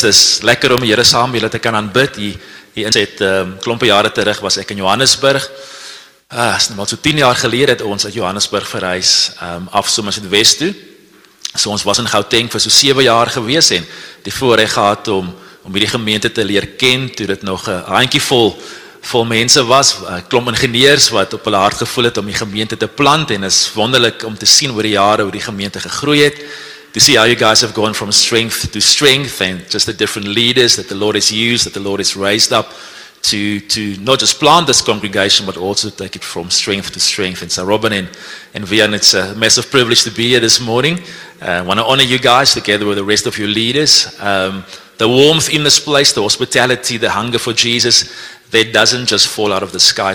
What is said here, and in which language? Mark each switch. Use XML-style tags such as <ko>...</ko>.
<af>Dis lekker om die Here saam met julle te kan aanbid. Hier in het klompe jare terug was ek in Johannesburg. Is nou maar so 10 jaar gelede het ons uit Johannesburg verhuis, af so mas het Wes toe. So ons was in Gauteng vir so 7 jaar gewees en die voorreg gehad om hierdie gemeente te leer ken, toe dit nog 'n handjie vol mense was, klomp ingenieurs wat op hulle hart gevoel het om die gemeente te plant, en is wonderlik om te sien oor die jare hoe die gemeente gegroei het.</af> <en>To see how you guys have gone from strength to strength, and just the different leaders that the Lord has used, that the Lord has raised up to not just plant this congregation, but also take it from strength to strength. And so Robin and Vian, it's a massive privilege to be here this morning. I want to honor you guys together with the rest of your leaders. The warmth in this place, the hospitality, the hunger for Jesus, that doesn't just fall out of the sky.</en>